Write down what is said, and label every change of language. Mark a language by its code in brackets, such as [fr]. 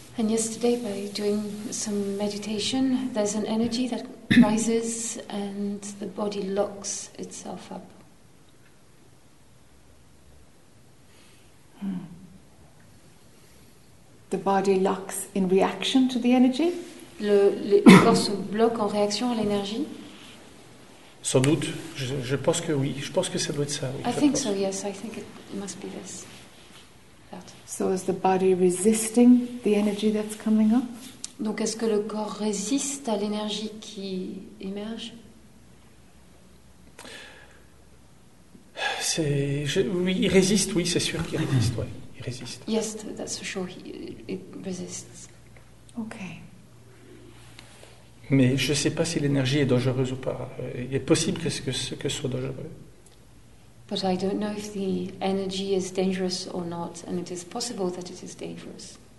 [en] And yesterday, by doing some meditation, there's an energy that rises and the body locks itself up. The body locks in reaction to the energy? [fr] Le corps se bloque en réaction à l'énergie? Sans doute, je pense que oui, je pense que ça doit être ça. Oui, [en] I think so, yes, I think it must be this. That. So is the body resisting the energy that's coming up? [fr] Donc est-ce que le corps résiste à l'énergie qui émerge? Oui, il résiste, oui, c'est sûr qu'il résiste, oui, il résiste. [en] Yes, that's for sure, it resists. Okay. [fr] Mais je ne sais pas si l'énergie est dangereuse ou pas. Il est possible que ce soit dangereux. [en] But I don't know if the energy is dangerous or not, and it is possible that it is dangerous.